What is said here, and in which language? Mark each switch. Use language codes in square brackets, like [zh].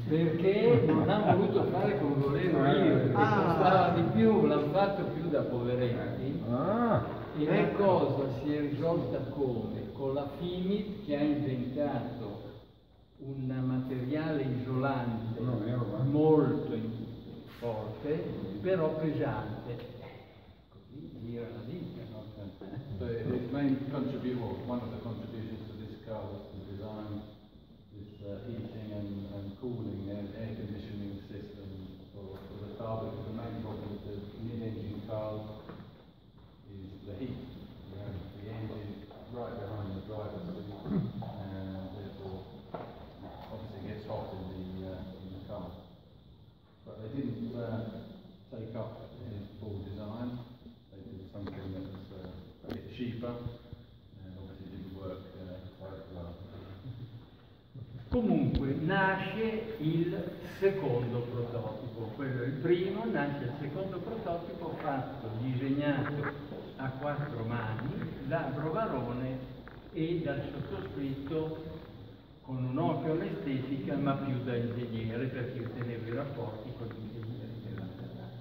[it] Perché non hanno voluto fare come volevo io, costava di più, l'hanno fatto più da poveretti. Ah. E la cosa si è risolta come? Con la FIMIT che ha inventato un materiale isolante molto forte, però pesante. Così gira la vita. [en] The main contributor, one of the contributions to this car was the design, this heating and cooling and air conditioning system for the car, because the main problem with the mid-engine cars is the heat. You have the engine right behind the driver's seat, and therefore obviously gets hot in the car. But they didn't take up any full design. They did something that was a bit cheaper, and obviously it didn't work quite well. [it] Comunque nasce il secondo prototipo, quello è il primo, nasce il secondo prototipo fatto, disegnato a quattro mani da Brovarone e dal sottoscritto con un occhio all'estetica ma più da ingegnere perché teneva i rapporti con l'ingegnere della terra.